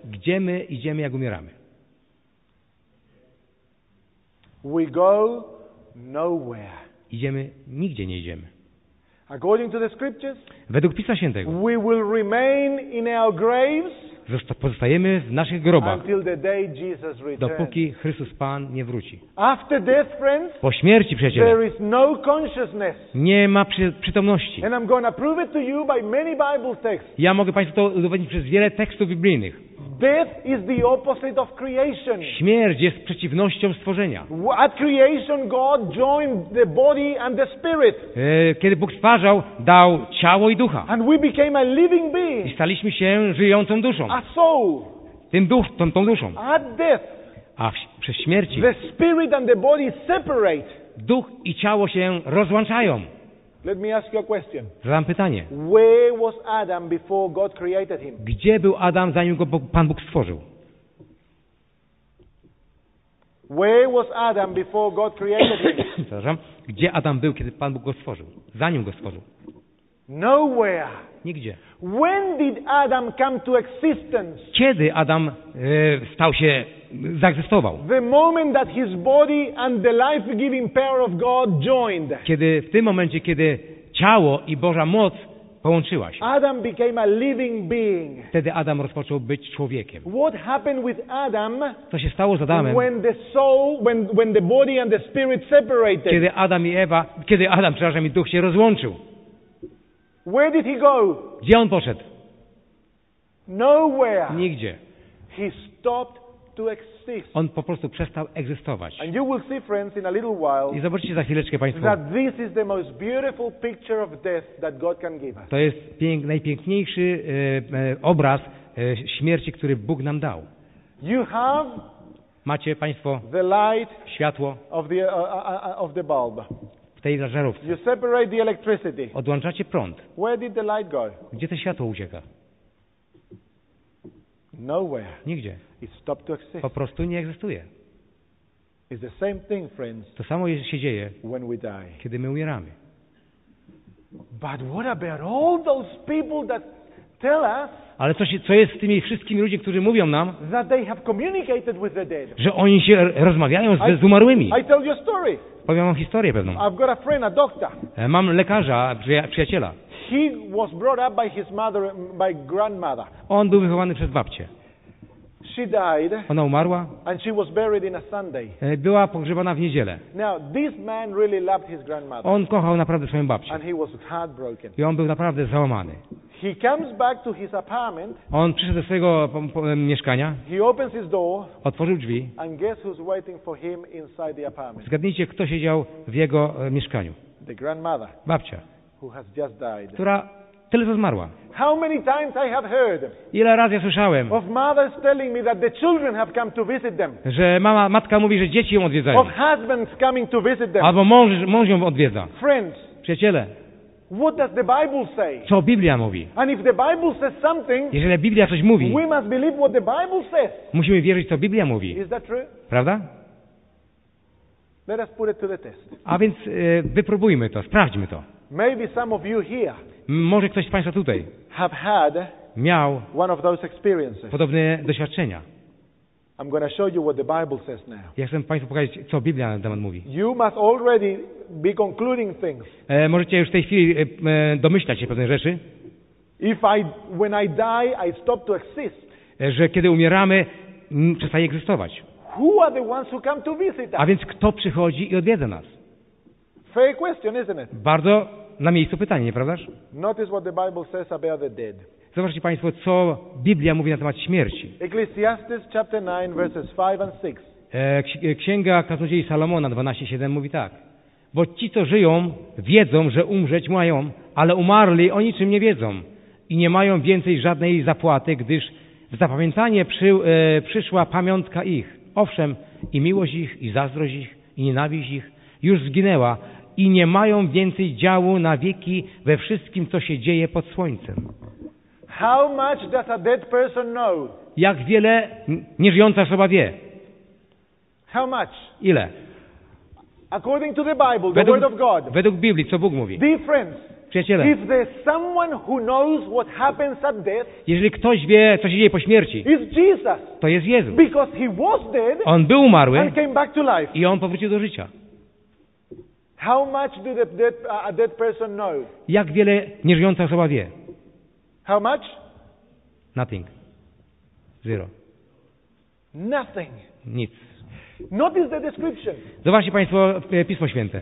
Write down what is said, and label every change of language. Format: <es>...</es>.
<pl>Gdzie my idziemy, jak umieramy?</pl> <en>We go nowhere.</en> <pl>Idziemy, nigdzie nie idziemy.</pl> <en>According to the scriptures,</en> <pl>według Pisma Świętego,</pl> <en>we will remain in our graves,</en> <pl>pozostajemy w naszych grobach,</pl> <en>until the day Jesus returns.</en> <pl>Dopóki Chrystus Pan nie wróci.</pl> <en>After death, friends,</en> <pl>po śmierci, przyjaciele,</pl> <en>there is no consciousness.</en> <pl>Nie ma przytomności.</pl> <en>And I'm going to prove it to you by many Bible texts.</en> <pl>Ja mogę Państwu to udowodnić przez wiele tekstów biblijnych.</pl> <en>Death is the opposite of creation.</en> <pl>Śmierć jest przeciwnością stworzenia.</pl> <en>At creation, God joined the body and the spirit.</en> <pl>Kiedy Bóg stwarzał, dał ciało i ducha.</pl> <en>And we became a living being.</en> <pl>I staliśmy się żyjącą duszą.</pl> <en>A soul.</en> <pl>Tym duchem, tą duszą.</pl> <en>At death.</en> <pl>A przez śmierci.</pl> <en>The spirit and the body separate.</en> <pl>Duch i ciało się rozłączają.</pl> <en>Let me ask you a question.</en> <pl>Zadam pytanie.</pl> <en>Where was Adam before God created him?</en> <pl>Gdzie był Adam, zanim go Pan Bóg stworzył?</pl> <en>Where was Adam before God created him?</en> <pl>Przepraszam. Gdzie Adam był, kiedy Pan Bóg go stworzył? Zanim go stworzył.</pl> <en>Nowhere.</en> <pl>Nigdzie.</pl> <en>When did Adam come to existence?</en> <pl>Kiedy Adam stał się, zaegzystował?</pl> <en>The moment that his body and the life-giving power of God joined.</en> <pl>Kiedy w tym momencie, kiedy ciało i Boża moc połączyła się.</pl> <en>Adam became a living being.</en> <pl>Wtedy Adam rozpoczął być człowiekiem.</pl> <en>What happened with Adam?</en> <pl>Co się stało z Adamem?</pl> <en>When the soul, when the body and the spirit separated.</en> <pl>Kiedy Adam, przepraszam, i duch się rozłączył.</pl> <en>Where did he go?</en> <pl>Gdzie on poszedł?</pl> <en>Nowhere.</en> <pl>Nigdzie.</pl> <en>He stopped to exist.</en> <pl>On po prostu przestał egzystować.</pl> <en>And you will see, friends, in a little while,</en> <pl>i zobaczycie za chwileczkę Państwo,</pl> <en>that this is the most beautiful picture of death that God can give us.</en> <pl>To jest najpiękniejszy obraz śmierci, który Bóg nam dał.</pl> <en>You have,</en> <pl>macie Państwo,</pl> <en>the light,</en> <pl>światło</pl> <en>of the bulb.</en> <pl>Tej żarówce.</pl> <en>You separate the electricity.</en> <pl>Odłączacie prąd.</pl> <en>Where did the light go?</en> <pl>Gdzie to światło ucieka?</pl> <en>Nowhere.</en> <pl>Nigdzie.</pl> <en>It stopped to exist.</en> <pl>Po prostu nie egzystuje.</pl> <en>It's the same thing, friends.</en> <pl>To samo się dzieje,</pl> <en>when we die.</en> <pl>Kiedy my umieramy.</pl> <en>But what about all those people that tell us?</en> <pl>Ale co jest z tymi wszystkimi ludźmi, którzy mówią nam,</pl> <en>that they have communicated with the dead.</en> <pl>Że oni się rozmawiają z umarłymi?</pl> <en>I tell you a story.</en> <pl>Powiem wam historię pewną.</pl> <en>I've got a friend, a doctor.</en> <pl>Mam lekarza, przyjaciela.</pl> <en>He was brought up by his mother, by grandmother.</en> <pl>On był wychowany przez babcię.</pl> <en>She died.</en> <pl>Ona umarła.</pl> <en>And she was buried in a Sunday.</en> <pl>Była pogrzebana w niedzielę.</pl> <en>Now, this man really loved his grandmother.</en> <pl>On kochał naprawdę swoją babcię.</pl> <en>And he was heartbroken.</en> <pl>I on był naprawdę załamany.</pl> <en>He comes back to his apartment.</en> <pl>On przyszedł do swojego mieszkania.</pl> <en>He opens his door.</en> <pl>Otworzył drzwi.</pl> <en>And guess who's waiting for him inside the apartment?</en> <pl>Zgadnijcie, kto siedział w jego mieszkaniu.</pl> <en>The grandmother.</en> <pl>Babcia.</pl> <en>Who has just died.</en> <pl>Która tyle co zmarła.</pl> <en>How many times I have heard?</en> <pl>Ile razy ja słyszałem?</pl> <en>Of mothers telling me that the children have come to visit them.</en> <pl>Że mama, matka mówi, że dzieci ją odwiedzają.</pl> <en>Of husbands coming to visit them.</en> <pl>Albo mąż ją odwiedza.</pl> <en>Friends.</en> <pl>Przyjaciele.</pl> <en>What does the Bible say?</en> <pl>Co Biblia mówi?</pl> <en>And if the Bible says something,</en> <pl>jeżeli Biblia coś mówi,</pl> <en>we must believe what the Bible says.</en> <pl>Musimy wierzyć, co Biblia mówi.</pl> <en>Is that true?</en> <pl>Prawda?</pl> <en>Let us put it to the test.</en> <pl>A więc wypróbujmy to, sprawdźmy to.</pl> <en>Maybe some of you here.</en> <pl>Może ktoś z Państwa tutaj</pl> <en>have had</en> <pl>miał</pl> <en>one of those experiences.</en> <pl>Podobne doświadczenia.</pl> <en>I'm going to show you what the Bible says now.</en> <pl>Ja chcę Państwu pokazać, co Biblia na ten temat mówi.</pl> <en>You must already be concluding things.</en> <pl>Możecie już w tej chwili domyślać się pewnej rzeczy.</pl> <en>If I, when I die, I stop to exist.</en> <pl>Że kiedy umieramy, przestaje egzystować.</pl> <en>Who are the ones who come to visit us?</en> <pl>A więc kto przychodzi i odwiedza nas?</pl> <en>Fair question, isn't it?</en> <pl>Bardzo na miejscu pytanie, nieprawdaż?</pl> <en>Notice what the Bible says about the dead.</en> <pl>Zobaczcie Państwo, co Biblia mówi na temat śmierci.</pl> <en>Ecclesiastes chapter 9, verses 5 and 6.</en> <pl>Księga Kaznodziei Salomona 12:7 mówi tak. Bo ci, co żyją, wiedzą, że umrzeć mają, ale umarli o niczym nie wiedzą i nie mają więcej żadnej zapłaty, gdyż w zapamiętanie przyszła pamiątka ich. Owszem, i miłość ich, i zazdrość ich, i nienawiść ich już zginęła i nie mają więcej działu na wieki we wszystkim, co się dzieje pod słońcem.</pl> <en>How much does a dead person know?</en> <pl>Jak wiele nieżyjąca osoba wie?</pl> <en>How much?</en> <pl>Ile?</pl> <en>According to the Bible, the word of God.</en> <pl>Według Biblii, co Bóg mówi? Przyjaciele.</pl> <en>If there's someone who knows what happens at death,</en> <pl>jeżeli ktoś wie, co się dzieje po śmierci,</pl> <en>it's Jesus.</en> <pl>To jest Jezus.</pl> <en>Because he was dead,</en> <pl>on był umarły</pl> <en>and came back to life.</en> <pl>I on powrócił do życia.</pl> <en>How much do the dead person know?</en> <pl>Jak wiele nieżyjąca osoba wie?</pl> <en>How much? Nothing. Zero. Nothing.</en> <pl>Nic.</pl> <en>Notice the description.</en> <pl>Zobaczcie Państwo Pismo Święte.</pl>